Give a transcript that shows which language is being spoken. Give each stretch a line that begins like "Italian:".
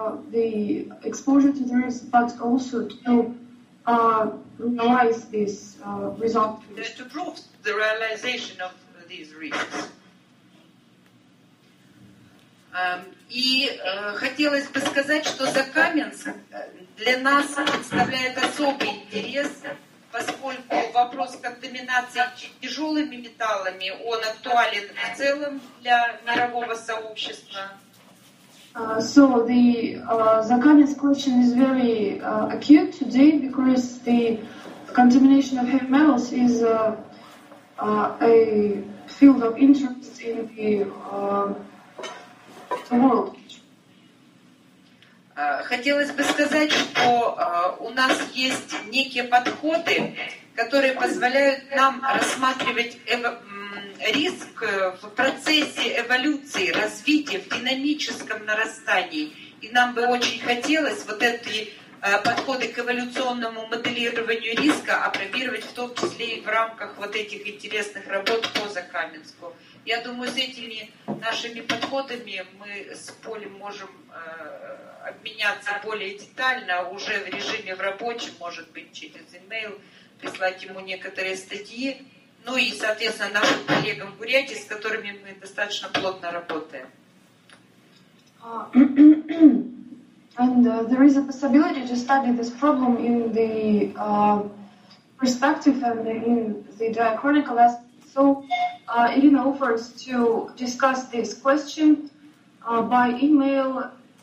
English: The exposure to the risk, but also to realize this result. And to prove the realization of these risks.
Russian: И хотелось бы сказать, что Закаменск для нас представляет особый интерес, поскольку вопрос контаминации тяжелыми металлами, он актуален в целом для мирового сообщества.
English: Закаменск question is very acute today because the contamination of heavy metals is a field of interest in the world.
Russian: Хотелось бы сказать, что у нас есть некие подходы, которые позволяют нам рассматривать риск в процессе эволюции, развития, в динамическом нарастании. И нам бы очень хотелось вот эти подходы к эволюционному моделированию риска апробировать в том числе и в рамках вот этих интересных работ по Закаменску. Я думаю, с этими нашими подходами мы с Полем можем обменяться более детально, уже в режиме в рабочем, может быть, через имейл, прислать ему некоторые статьи. Ну и, соответственно, нашим коллегам в Бурятии, с которыми мы достаточно плотно работаем.
English: And there is a possibility to study this problem in the perspective and in the diachronic aspect. So Irina offers to discuss this question by email